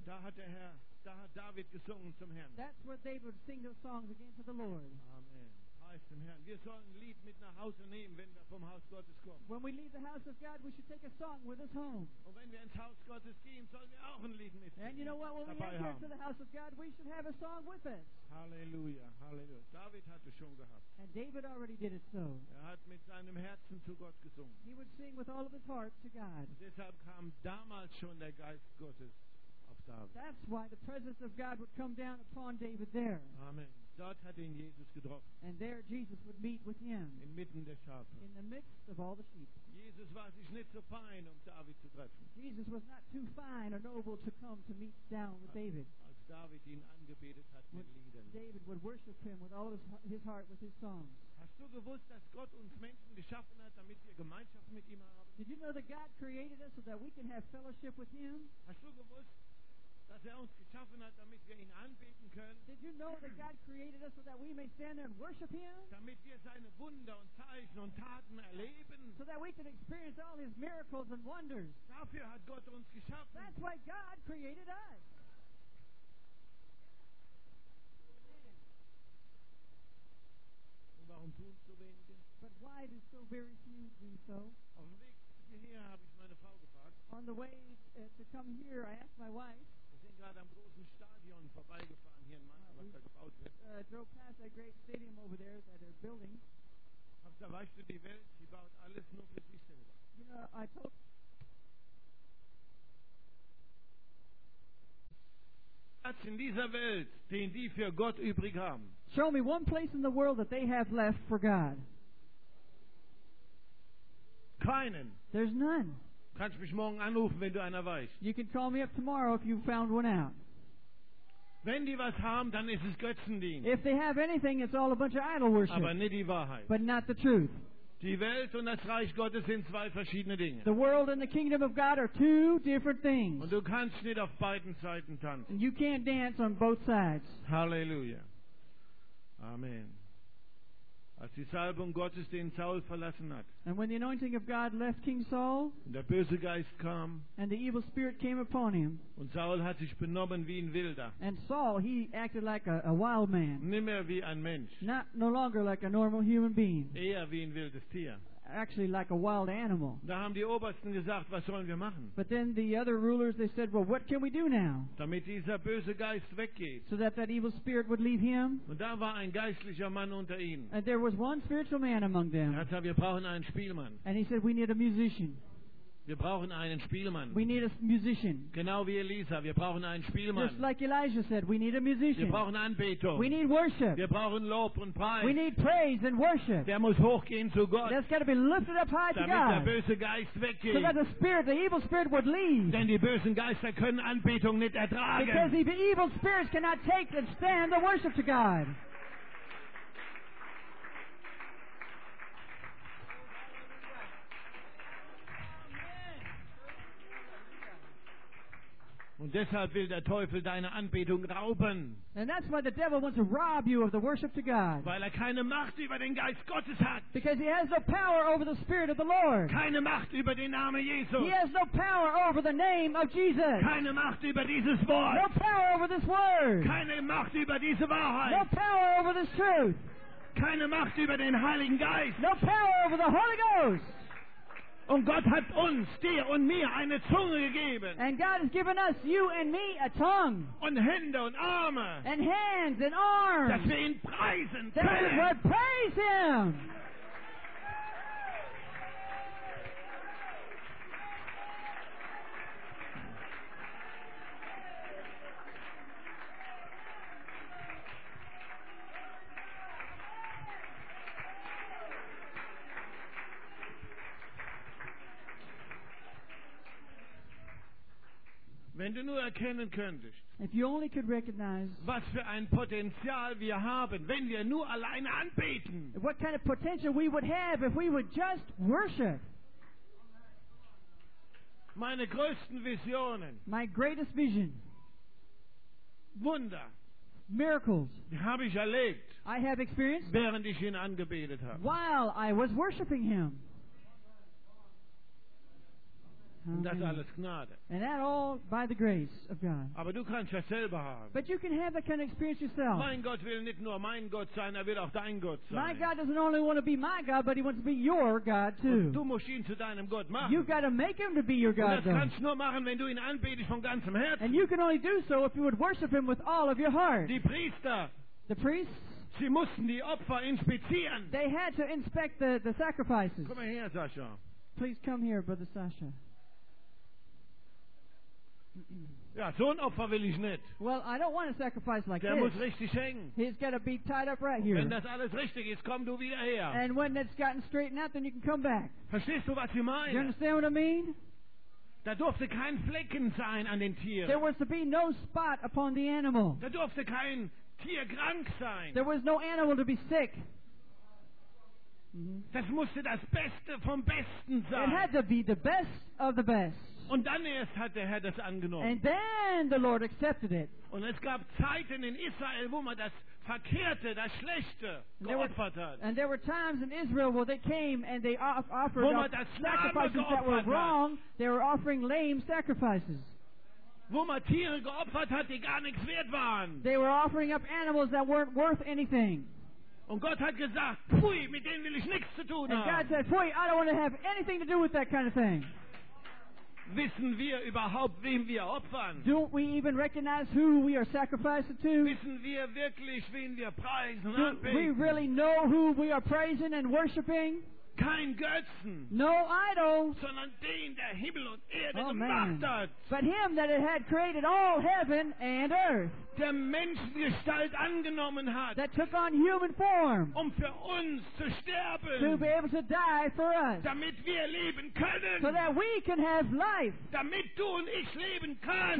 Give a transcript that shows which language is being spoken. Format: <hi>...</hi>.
<de>Da hat der Herr, da hat David gesungen zum Herrn.</de> <en>That's where David would sing those songs again to the Lord.</en> <de>Amen. Preist dem Herrn. Wir sollen ein Lied mit nach Hause nehmen, wenn wir vom Haus Gottes kommen.</de> <en>When we leave the house of God, we should take a song with us home.</en> <de>Und wenn wir ins Haus Gottes gehen, sollen wir auch ein Lied mit dabei haben.</de> <en>And you know what? When we enter to the house of God, we should have a song with us.</en> <de>Halleluja, halleluja. David hatte schon gehabt.</de> <en>And David already did it so.</en> <de>Er hat mit seinem Herzen zu Gott gesungen.</de> <en>He would sing with all of his heart to God.</en> <de>Und deshalb kam damals schon der Geist Gottes auf David.</de> <en>That's why the presence of God would come down upon David there.</en> <de>Amen. Dort hat ihn Jesus getroffen.</de> <en>And there Jesus would meet with him.</en> <de>Inmitten der Schafe.</de> <en>In the midst of all the sheep.</en> <de>Jesus war sich nicht so fein, David zu treffen.</de> <en>Jesus was not too fine or noble to come to meet down with David.</en> <de>Als David ihn angebetet hat mit Liedern.</de> <en>David would worship him with all his heart with his songs.</en> <de>Hast du gewusst, dass Gott uns Menschen geschaffen hat, damit wir Gemeinschaft mit ihm haben?</de> <en>Did you know that God created us so that we can have fellowship with him?</en> <de>Hast du gewusst, dass er uns geschaffen hat, damit wir ihn anbeten können?</de> <en>Did you know that God created us so that we may stand there and worship him?</en> <de>Damit wir seine Wunder und Zeichen und Taten erleben?</de> <en>So that we can experience all his miracles and wonders.</en> <de>Dafür hat Gott uns geschaffen.</de> <en>That's why God created us.</en> <de>Und warum tun so wenige?</de> <en>But why do so very few do so?</en> <de>Auf dem Weg hierher habe ich meine Frau gefragt.</de> <en>On the way to come here, I asked my wife.</en> <de>Wir sind gerade am großen Stadion vorbeigefahren hier in Mannheim, was da gebaut wird.</de> <en>Drove past that great stadium over there that they're building.</en> <de>Hab gesagt, weißt du, die Welt, sie baut alles nur für sich selber.</de> <en>You know, I told</en> <de>in dieser Welt, den die für Gott übrig haben.</de> <en>Show me one place in the world that they have left for God.</en> <de>Keinen.</de> <en>There's none.</en> <de>Kannst mich morgen anrufen, wenn du einer weißt.</de> <en>You can call me up tomorrow if you found one out.</en> <de>Wenn die was haben, dann ist es Götzendienst.</de> <en>If they have anything, it's all a bunch of idol worship.</en> <de>Aber nicht die Wahrheit.</de> <en>But not the truth.</en> <de>Die Welt und das Reich Gottes sind zwei verschiedene Dinge.</de> <en>The world and the kingdom of God are two different things.</en> <de>Und du kannst nicht auf beiden Seiten tanzen.</de> <en>And you can't dance on both sides. Halleluja. Amen.</en> <de>Als die Salbung Gottes den Saul verlassen hat.</de> <en>And when the anointing of God left King Saul.</en> <de>Der böse Geist kam.</de> <en>And the evil spirit came upon him.</en> <de>Und Saul hat sich benommen wie ein Wilder.</de> <en>And Saul, he acted like a wild man.</en> <de>Nicht mehr wie ein Mensch.</de> <en>No longer like a normal human being.</en> <de>Eher wie ein wildes Tier.</de> <en>Actually like a wild animal.</en> <de>Da haben die Obersten gesagt, was sollen wir machen?</de> <en>But then the other rulers, they said, well, what can we do now?</en> <de>Damit dieser böse Geist weggeht.</de> <en>So that evil spirit would leave him.</en> <de>Und da war ein geistlicher Mann unter ihnen.</de> <en>And there was one spiritual man among them.</en> <de>Er hat gesagt, wir brauchen einen Spielmann.</de> <en>And he said, we need a musician.</en> <de>Wir brauchen einen Spielmann.</de> <en>We need a musician.</en> <de>Genau wie Elisa, wir brauchen einen Spielmann.</de> <en>Just like Elijah said, we need a musician.</en> <de>Wir brauchen Anbetung.</de> <en>We need worship.</en> <de>Wir brauchen Lob und Preis.</de> <en>We need praise and worship.</en> <de>Der muss hochgehen zu Gott.</de> <en>That's got to be lifted up high to God.</en> <de>Damit der böse Geist weggeht.</de> <en>So that the evil spirit would leave.</en> <de>Denn die bösen Geister können Anbetung nicht ertragen.</de> <en>Because the evil spirits cannot take and stand the worship to God.</en> <de>Und deshalb will der Teufel deine Anbetung rauben.</de> <en>And that's why the devil wants to rob you of the worship to God.</en> <de>Weil er keine Macht über den Geist Gottes hat.</de> <en>Because he has no power over the Spirit of the Lord.</en> <de>Keine Macht über den Namen Jesus.</de> <en>He has no power over the name of Jesus.</en> <de>Keine Macht über dieses Wort.</de> <en>No power over this word.</en> <de>Keine Macht über diese Wahrheit.</de> <en>No power over this truth.</en> <de>Keine Macht über den Heiligen Geist.</de> <en>No power over the Holy Ghost.</en> <de>Und Gott hat uns, dir und mir, eine Zunge gegeben.</de> <en>And God has given us, you and me, a tongue.</en> <de>Und Hände und Arme.</de> <en>And hands and arms.</en> <de>Dass wir ihn preisen können.</de> <en>That we praise him.</en> <de>Wenn du nur erkennen könntest,</de> <en>if you only could recognize,</en> <de>was für ein Potenzial wir haben, wenn wir nur alleine anbeten.</de> <en>What kind of potential we would have if we would just worship.</en> <de>Meine größten Visionen.</de> <en>My greatest vision.</en> <de>Wunder.</de> <en>Miracles.</en> <de>Habe ich erlebt.</de> <en>I have experienced.</en> <de>Während ich ihn angebetet habe.</de> <en>While I was worshiping him.</en> <de>Und das alles Gnade.</de> <en>And that all by the grace of God.</en> <de>Aber du kannst ja selber haben.</de> <en>But you can have that kind of experience yourself.</en> <de>Mein Gott will nicht nur mein Gott sein, er will auch dein Gott sein.</de> <en>My God doesn't only want to be my God, but he wants to be your God too.</en> <de>Und du musst ihn zu deinem Gott machen.</de> <en>You've got to make him to be your God.</en> <de>Und das kannst du nur machen, wenn du ihn anbetest von ganzem Herzen.</de> <en>And you can only do so if you would worship him with all of your heart.</en> <de>Die Priester.</de> <en>The priests.</en> <de>Sie mussten die Opfer inspizieren.</de> <en>They had to inspect the sacrifices.</en> <de>Komm her, Sascha.</de> <en>Please come here, Brother Sascha.</en> <de>Ja, so ein Opfer will ich nicht.</de> <en>Well, I don't want a sacrifice like</en> <de>der</de> <en>this.</en> <de>Muss richtig hängen.</de> <en>He's got to be tied up right here.</en> <de>Wenn das alles richtig ist, komm du wieder her.</de> <en>And when it's gotten straightened out, then you can come back.</en> <de>Verstehst du, was ich meine?</de> <en>You understand what I mean?</en> <de>Da durfte kein Flecken sein an den Tieren.</de> <en>There was to be no spot upon the animal.</en> <de>Da durfte kein Tier krank sein.</de> <en>There was no animal to be sick.</en> <de>Das musste das Beste vom Besten sein.</de> <en>It had to be the best of the best.</en> <de>Und dann erst hat der Herr das angenommen.</de> <en>And then the Lord accepted it.</en> <de>Und es gab Zeiten in Israel, wo man das Verkehrte, das Schlechte geopfert hat.</de> <en>And there were times in Israel where they came and they offered sacrifices that were wrong. They were offering lame sacrifices.</en> <de>Wo man Tiere geopfert hat, die gar nichts wert waren.</de> <en>They were offering up animals that weren't worth anything.</en> <de>Und Gott hat gesagt, pfui, mit denen will ich nichts zu tun haben.</de> <en>And God said, pfui, I don't want to have anything to do with that kind of thing.</en> <de>Wissen wir überhaupt, wem wir opfern?</de> <en>Don't we even recognize who we are sacrificing to?</en> <de>Wissen wir wirklich, wen wir preisen und anbeten?</de> <en>Do we really know who we are praising and worshiping?</en> <de>Kein Götzen.</de> <en>No idol.</en> <de>Sondern den, der Himmel und Erde gemacht hat.</de> <en>But him that it had created all heaven and earth.</en> <de>Der Menschengestalt angenommen hat.</de> <en>That took on human form.</en> <de>Um für uns zu sterben.</de> <en>To be able to die for us.</en> <de>Damit wir leben können.</de> <en>So that we can have life.</en> <de>Damit du und ich leben kann.</de>